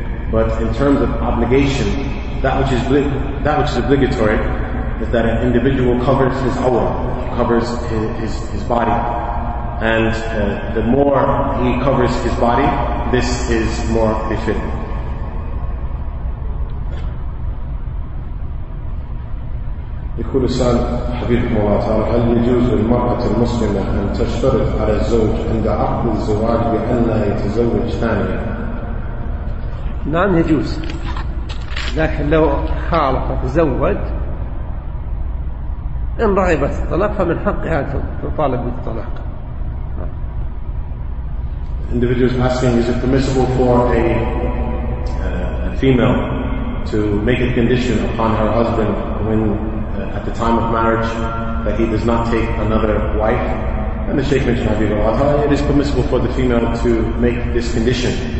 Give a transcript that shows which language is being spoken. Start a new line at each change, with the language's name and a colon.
English: But in terms of obligation, that which is obligatory is that an individual covers his awrah, covers his body. And the more he covers his body, this is more befitting.
Arabic: يقول السؤال حبيبكم الله تعالى هل يجوز للمرأة المسلمة أن تشترط على الزوج عند عقد الزواج بأن لا يتزوج ثانية؟ نعم يجوز لكن لو خالف تزوج إن رغبت الطلاق فمن حقها تطالب بالطلاق.
English: Individuals asking, is it permissible for a female to make a condition upon her husband when at the time of marriage that he does not take another wife? And the Sheikh mentioned Habib al-Azhar, it is permissible for the female to make this condition.